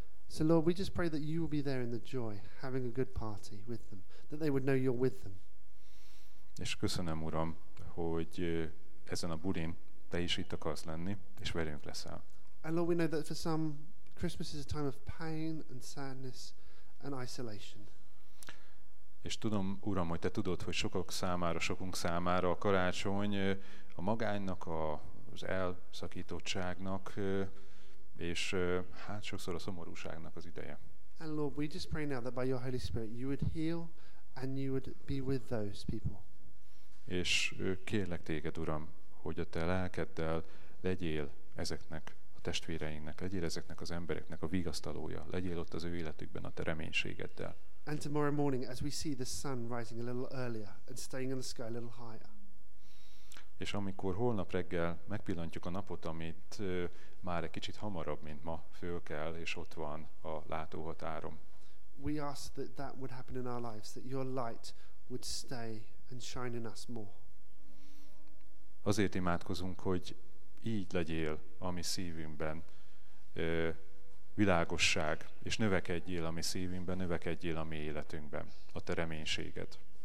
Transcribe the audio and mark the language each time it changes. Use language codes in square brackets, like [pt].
[en] So Lord, we just pray that you will be there in the joy, having a good party with them, that they would know you're with them. [hu] És köszönöm, Uram, hogy ezen a bulin te is itt akarsz lenni, és velünk leszel. [en] And Lord, we know that for some, Christmas is a time of pain and sadness and isolation. [hu] És tudom, Uram, hogy te tudod, hogy sokunk számára a karácsony a magánynak, az elszakítottságnak, és hát sokszor a szomorúságnak az ideje. [en] And Lord, we just pray now that by your Holy Spirit you would heal and you would be with those people. [hu] És kérlek téged, Uram, hogy a te lelkeddel legyél ezeknek a testvéreinknek, legyél ezeknek az embereknek a vigasztalója, legyél ott az ő életükben a te reménységeddel. [en] And tomorrow morning as we see the sun rising a little earlier and staying in the sky a little higher. [hu] És amikor holnap reggel megpillantjuk a napot, amit már egy kicsit hamarabb, mint ma fölkel, és ott van a látóhatárom. [en] We ask that that would happen in our lives, that your light would stay and shine in us more. [hu] Azért imádkozunk, hogy így legyél a mi szívünkben világosság, és növekedjél a mi szívünkben, növekedjél a mi életünkben, a te reménységed.